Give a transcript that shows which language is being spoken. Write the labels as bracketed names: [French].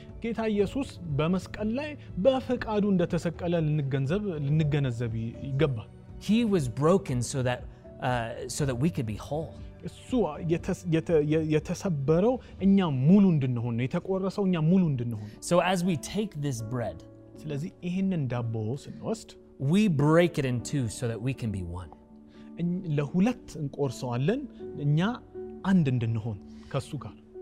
[Amharic] ጌታ ኢየሱስ በመስቀል ላይ በፍቃዱ እንደተሰቀለ ልንገነዘብ ይገባል። [English] He was broken so that we could be whole. [Amharic] እሱ የተሰበረው እኛ ሙሉ እንድንሆን የተቆረሰው እኛ ሙሉ እንድንሆን. [English] So as we take this bread, [Amharic] ስለዚህ ይሄንን ዳቦ ስንወስድ, [English] we break it in two so that we can be one. [Amharic] ለሁለት እንቆርሰዋለን እኛ አንድ እንድንሆን ከሱ ጋር.